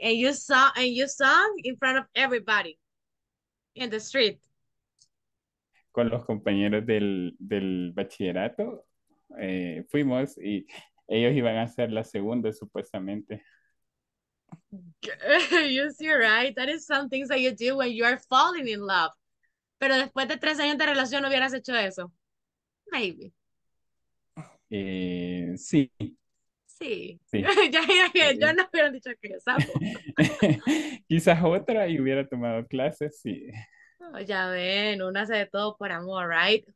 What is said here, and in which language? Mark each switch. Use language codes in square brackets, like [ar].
[en] And you sang in front of everybody in the street. [es] Con los compañeros del bachillerato. Fuimos y ellos iban a hacer la segunda, supuestamente. [en] You see, right? That is some things that you do when you are falling in love. [es] Pero después de 3 años de relación, ¿no hubieras hecho eso? [en] Maybe. [es] Sí. Sí. Sí. ya no hubieran dicho que yo sabo. Quizás otra y hubiera tomado clases, sí. Oh, ya ven, uno hace de todo por amor, right?